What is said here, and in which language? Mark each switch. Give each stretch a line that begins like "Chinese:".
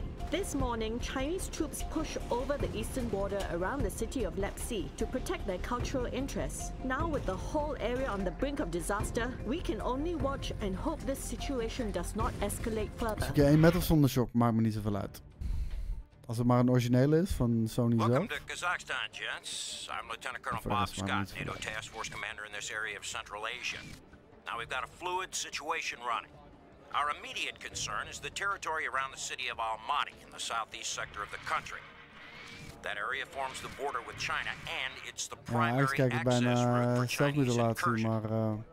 English: This morning, Chinese troops push over the eastern border around the city of Lepsi to protect their cultural interests. Now with the whole area on the brink of disaster, we can only watch and hope this situation does not escalate further.
Dutch: Okay, een metal zonder shock maakt me niet zoveel uit. Als het maar een originele is van Sony zelf.
English: Welcome to Kazakhstan, gents. I'm Lieutenant Colonel Bob Scott, NATO Task Force Commander in this area of Central Asia. Now we've got a fluid situation running. Our immediate concern is the territory around the city of Almaty in the southeast sector of the country. That area forms the border with China and it's the primary access route for Chinese incursion.